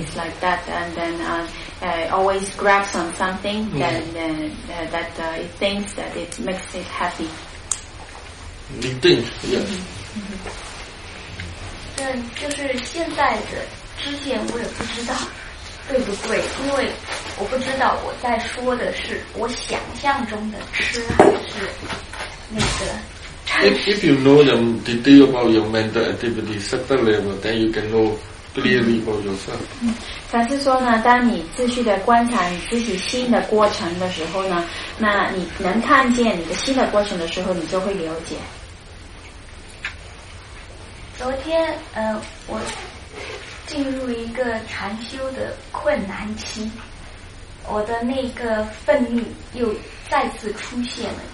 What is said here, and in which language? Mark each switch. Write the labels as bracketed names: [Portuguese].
[English] is like that, and then always grabs on something, mm. then it thinks that it makes it happy. It thinks, yes. [Chinese] 但就是现在的知见我也不知道对不对，因为我不知道我在说的是我想象中的吃还是那个。 [English] If you know the detail about your mental activity, certain level, then you can know clearly about yourself. [Chinese] 嗯，但是说呢，当你持续的观察你自己心的过程的时候呢，那你能看见你的心的过程的时候，你就会了解。昨天，我进入一个禅修的困难期，我的那个愤怒又再次出现了。